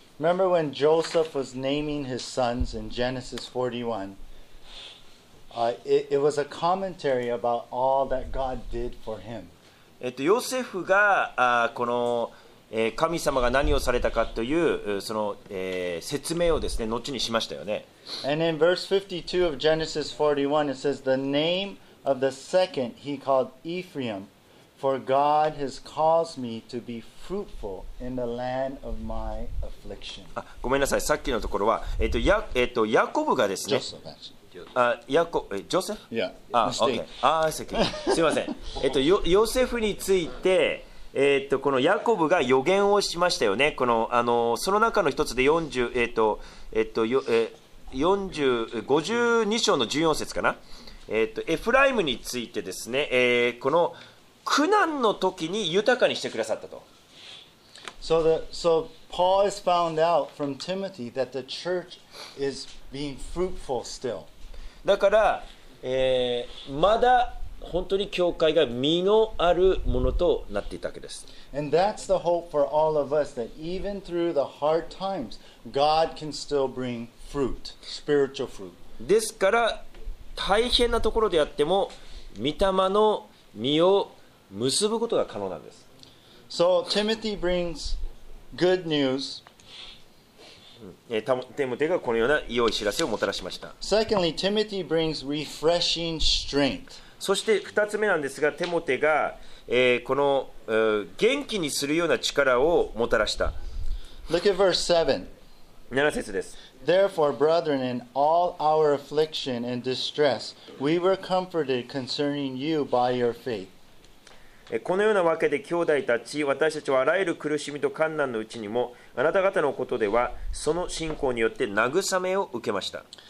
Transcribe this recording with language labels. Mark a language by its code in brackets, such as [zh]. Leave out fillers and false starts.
[en] Remember when Joseph was naming his sons in Genesis 41? It was a commentary about all that God did for him. [ja] ヨセフが、この、神様が何をされたかという、その、説明をですね、後にしましたよね。 [en] And in verse 52 of Genesis 41, it says, the nameOf the second he called Ephraim, for God has caused me to be fruitful in the land of my affliction. [ja] あ、ごめんなさい。さっきのところは、ヤコブがですね。 [en] Joseph. Joseph? Yeah. [ja] Okay. ああ、okay. すいません。ヨセフについて、このヤコブが予言をしましたよね。この、その中の一つで52章の14節かな。エフライムについてですね、この苦難の時に豊かにしてくださったと。 [en] So Paul has found out from Timothy that the church is being fruitful still. [ja] だから、まだ本当に教会が実のあるものとなっていたわけです。 [en] And that's the hope for all of us that even through the hard times, God can still bring fruit, spiritual fruit. [ja] ですから大変なところであっても御霊の実を結ぶことが可能なんです。 [en] So Timothy brings good news. [ja] テモテがこのような良い知らせをもたらしました。 [en] Secondly, Timothy brings refreshing strength. [ja] そして二つ目なんですが、テモテが、この、元気にするような力をもたらした。 [en] Look at verse [ja] 7. 7節です。 [en] Therefore, brethren, in all our affliction and distress, we were comforted concerning you by your faith. [ja] このようなわけで兄弟たち、私たちはあらゆる苦しみと患難のうちにも、あなた方のことではその信仰によって慰めを受けました。